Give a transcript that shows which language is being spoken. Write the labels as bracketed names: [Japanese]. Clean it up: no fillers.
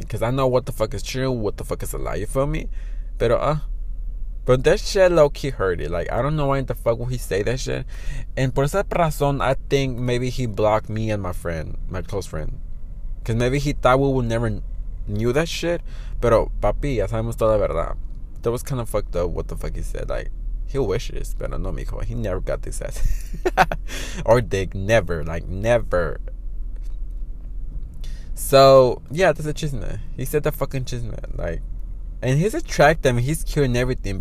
[English] Because I know what the fuck is true, what the fuck is a lie, you feel me? But that shit low-key hurt it. Like, I don't know why in the fuck would he say that shit. And [Spanish] por esa razón, [English] I think maybe he blocked me and my friend, my close friend. Because maybe he thought we would never knew that shit. [Spanish] Pero, papi, ya sabemos toda la verdad. [English] That was kind of fucked up, what the fuck he said. Like, he wishes, [Spanish] pero no, mijo. [English] He never got this ass. Or dick, never. Like, never. So, yeah, that's a chisme. He said the fucking chisme. Like, and he's attractive. I mean, he's cute and everything.